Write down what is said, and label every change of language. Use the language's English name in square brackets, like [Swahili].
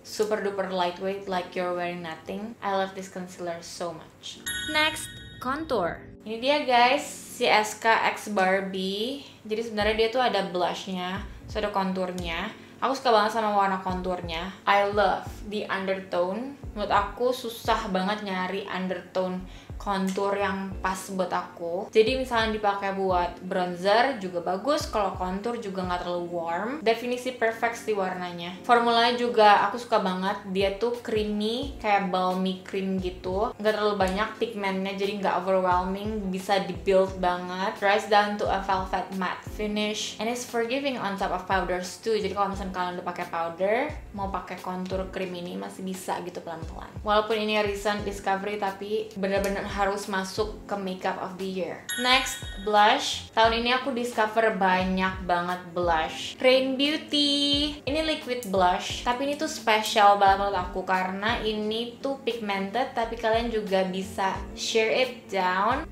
[English] Super duper lightweight, like you're wearing nothing. I love this concealer so much. Next, contour. [Indonesian] Ini dia guys, si SK X Barbie. Jadi sebenarnya dia tuh ada blushnya, so ada konturnya. Aku suka banget sama warna konturnya. [English] I love the undertone. [Indonesian] Menurut aku susah banget nyari undertone kontur yang pas buat aku. Jadi misalnya dipakai buat bronzer juga bagus, kalau kontur juga gak terlalu warm. Definisi perfect sih warnanya. Formulanya juga aku suka banget. Dia tuh creamy, kayak balmy cream gitu. Gak terlalu banyak pigmentnya, jadi gak overwhelming. Bisa di-build banget. [English] Dries down to a velvet matte finish. And it's forgiving on top of powders too. [Indonesian] Jadi kalau misalnya kalian udah pakai powder, mau pakai kontur cream ini masih bisa gitu pelan-pelan. Walaupun ini recent discovery, tapi bener-bener harus masuk ke [English] makeup of the year. Next, blush. [Indonesian] Tahun ini aku discover banyak banget blush. Rain Beauty. Ini liquid blush, tapi ini tuh special banget menurut aku, karena ini tuh pigmented, tapi kalian juga bisa [English] shear it down.